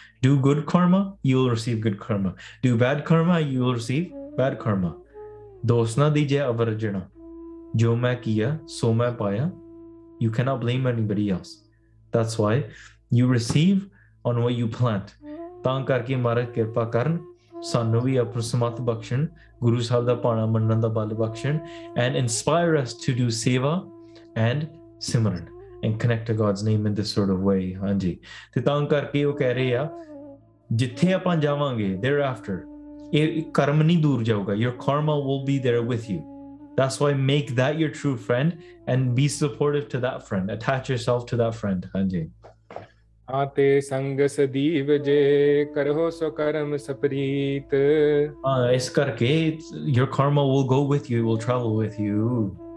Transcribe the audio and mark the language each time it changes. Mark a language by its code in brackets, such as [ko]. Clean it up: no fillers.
[en] Do good karma, you will receive good karma. Do bad karma, you will receive bad karma. [pa] Dosna dije avarjana. Jo main kiya, so main paya. [en] You cannot blame anybody else. That's why you receive on what you plant. [pa] ਤਾਂ ਕਰਕੇ ਮਹਾਰਾਜ ਕਿਰਪਾ ਕਰਨ ਸਾਨੂੰ ਵੀ ਆਪਣਾ ਸਮਰਥ ਬਖਸ਼ਣ ਗੁਰੂ ਸਾਹਿਬ ਦਾ ਭਾਣਾ ਮੰਨਣ ਦਾ ਬਲ ਬਖਸ਼ਣ [en] and inspire us to do seva and simran and connect God's name in this sort of way [pa] ਹਾਂਜੀ ਤੇ ਤਾਂ ਕਰਕੇ ਉਹ ਕਹਿ ਰਹੇ ਆ ਜਿੱਥੇ ਆਪਾਂ ਜਾਵਾਂਗੇ [en] there after [pa] ਇਹ ਕਰਮ ਨਹੀਂ ਦੂਰ ਜਾਊਗਾ [en] Your karma will be there with you That's why make that your true friend and be supportive to that friend. Attach yourself to that friend. Hanji. [pa] Aate sang sadiv je karho so karam sapreet. Is karke, [en] your karma will go with you, will travel with you.